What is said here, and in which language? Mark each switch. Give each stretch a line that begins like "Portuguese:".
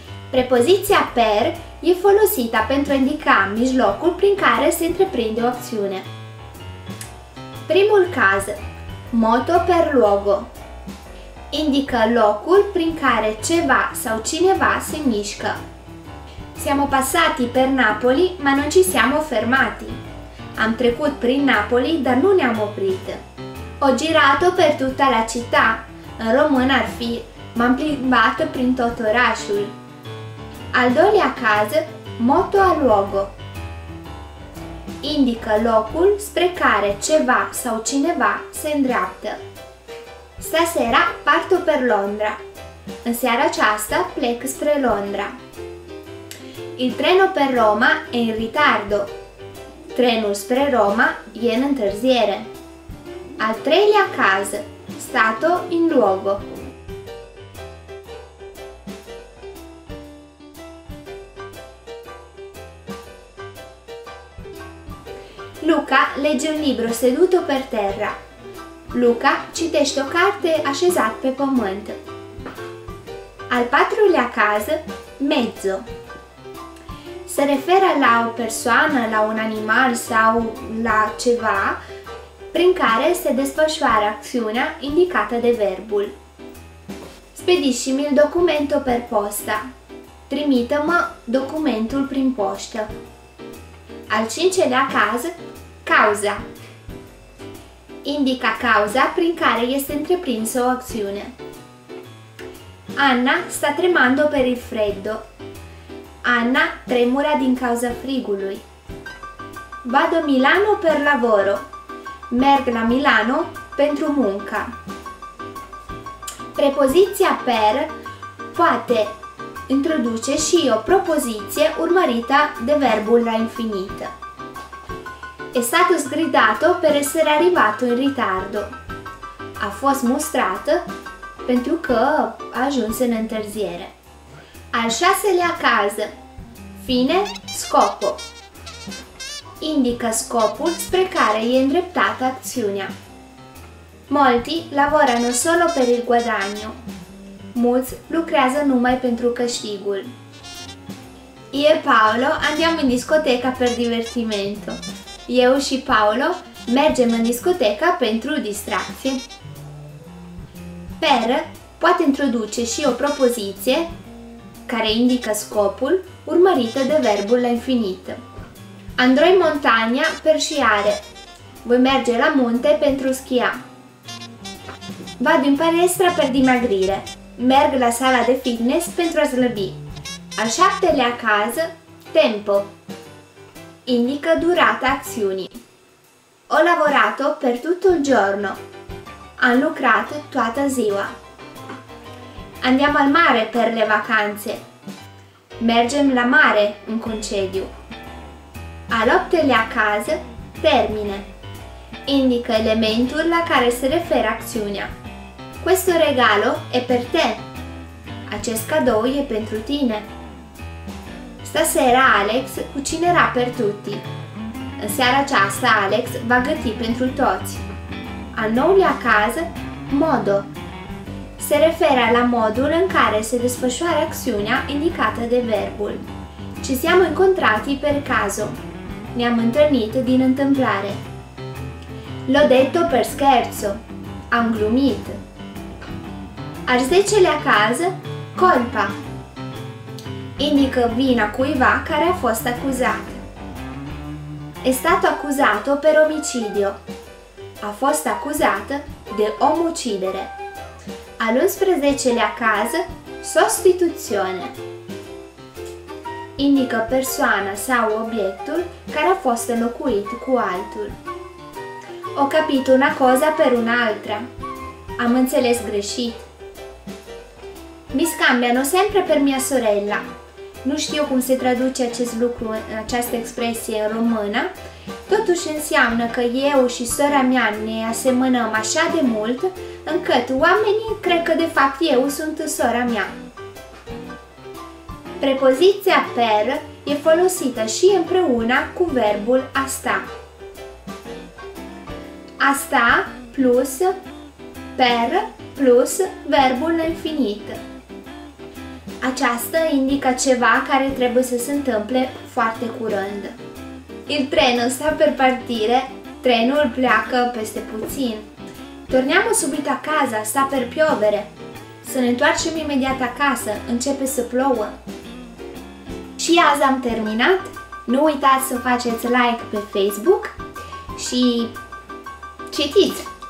Romanian: Prepoziția per e folosită pentru a indica mijlocul prin care se întreprinde o acțiune. Primul caz, moto per luogo, indică locul prin care ceva sau cineva se mișcă.
Italian: Siamo passati per Napoli, ma non ci siamo fermati.
Romanian: Am trecut prin Napoli, dar nu ne-am oprit.
Italian: Ho girato per tutta la città.
Romanian: În român ar fi, m-am plimbat prin tot orașul. Al doilea caz, moto a luogo. Indică locul spre care ceva sau cineva se îndreaptă.
Italian: Stasera parto per Londra.
Romanian: În seara aceasta plec spre Londra.
Italian: Il treno per Roma è in ritardo.
Romanian: Trenul spre Roma e in întârziere. Al treilea caz, stato in luogo.
Italian: Luca legge un libro seduto per terra.
Romanian: Luca citește o carte așezat pe pământ. Al patrulea caz, mezzo. Se referă la o persoană, la un animal sau la ceva prin care se desfășoară acțiunea indicată de verbul.
Italian: Spedisci-mi il documento per posta.
Romanian: Trimită-mă documentul prin poștă. Al cincelea caz, cauza. Indică cauza prin care este întreprinsă o acțiune.
Italian: Anna sta tremando per il freddo.
Romanian: Anna tremura din cauza frigului.
Italian: Vado a Milano per lavoro.
Romanian: Merg la Milano pentru munca. Prepoziția per poate introduce și o propoziție urmărită de verbul la infinit.
Italian: È stato sgridato per essere arrivato in ritardo.
Romanian: A fost mustrat pentru că a ajuns în întârziere. Al șaselea caz, fine, scopo. Indică scopul spre care e îndreptată acțiunea.
Italian: Molti lavorano solo per il guadagno.
Romanian: Mulți lucrează numai pentru câștigul.
Italian: Io e Paolo andiamo in discoteca per divertimento.
Romanian: Eu și Paolo mergem în discoteca pentru distracție. Per poate introduce și o propoziție care indică scopul urmărită de verbul la infinit.
Italian: Andrò in montagna per sciare.
Romanian: Voi merge la munte pentru schia.
Italian: Vado in palestra per dimagrire.
Romanian: Merg la sala de fitness pentru a slăbi. Al șaptelea caz, tempo. Indică durata acțiunii.
Italian: Ho lavorato per tutto il giorno.
Romanian: Am lucrat toată ziua.
Italian: Andiamo al mare per le vacanze.
Romanian: Mergem la mare în concediu. Al optelea caz, termine. Indică elementul la care se referă acțiunea.
Italian: Questo regalo è per te.
Romanian: Acest cadou e pentru tine.
Italian: Stasera Alex cucinerà per tutti.
Romanian: În seara aceasta Alex va găti pentru toți. Al noulea caz, modo. Se referă la modul în care se desfășoară acțiunea indicată de verbul.
Italian: Ci siamo incontrati per caso.
Romanian: Ne-am întâlnit din întâmplare.
Italian: L'ho detto per scherzo.
Romanian: Am glumit. Al zecelea caz, colpa. Indică vina cuiva care a fost acuzat.
Italian: È stato accusato per omicidio.
Romanian: A fost acuzat de omucidere. Al 11-lea caz, sostituzione. Indică persoana sau obiectul care a fost înlocuit cu altul.
Italian: Ho capito una cosa per un'altra.
Romanian: Am înțeles greșit.
Italian: Mi scambiano sempre per mia sorella.
Romanian: Nu știu cum se traduce acest lucru, această expresie în română, totuși înseamnă că eu și sora mea ne asemănăm așa de mult, încât oamenii cred că de fapt eu sunt sora mea. Prepoziția per e folosită și împreună cu verbul a sta. A sta plus per plus verbul infinit. Aceasta indică ceva care trebuie să se întâmple foarte curând.
Italian: Il treno sta per partire.
Romanian: Trenul pleacă peste puțin.
Italian: Torniamo subito a casa, sta per piovere.
Romanian: Să ne întoarcem imediat acasă, începe să plouă. Și azi am terminat. Nu uitați să faceți like pe Facebook și citiți!